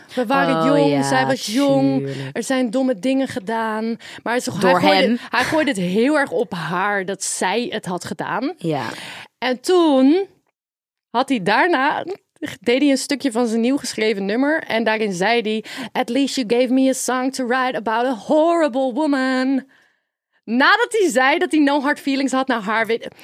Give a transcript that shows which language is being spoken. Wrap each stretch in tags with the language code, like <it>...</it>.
<nl>We waren jong, zij was jong. Tuurlijk. Er zijn domme dingen gedaan. Maar het is toch, door hij gooide, hem. Hij gooide het heel erg op haar dat zij het had gedaan. Ja. En toen had hij daarna... deed hij een stukje van zijn nieuw geschreven nummer. En daarin zei hij...</nl> <en>At least you gave me a song to write about a horrible woman.</en> <nl>Nadat hij zei dat hij</nl> <en>no hard feelings</en> <nl>had naar haar...</nl>